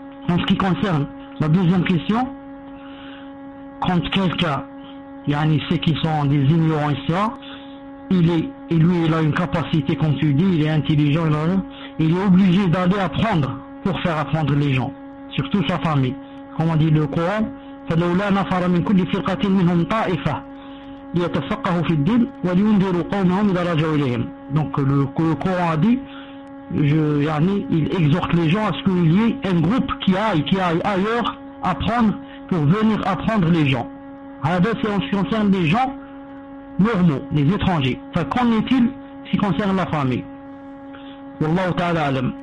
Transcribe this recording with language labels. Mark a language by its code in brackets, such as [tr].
[fr] En ce qui concerne la deuxième question, quand quelqu'un, yani ceux qui sont des ignorants et ça, il a une capacité, comme tu dis, il est intelligent, il est obligé d'aller apprendre pour faire apprendre les gens, surtout sa famille. Comme on dit le Coran, [ar] فَلَوْ لَا نَفَرَ مِنْ كُلِّ فِرْقَةٍ مِنْهُمْ طَائِفَةٍ لِيَتَفَقَّهُ فِي الدِّينِ وَلِيُنْذِرُوا قَوْمَهُمْ إِذَا رَجَعُوا إِلَيْهِمْ. [fr] Donc le Coran a dit, il exhorte les gens à ce qu'il y ait un groupe qui aille ailleurs apprendre pour venir apprendre les gens. Alors, c'est en ce qui concerne les gens normaux, les étrangers. Enfin, qu'en est-il si concerne la famille? Wallahu ta'ala alam.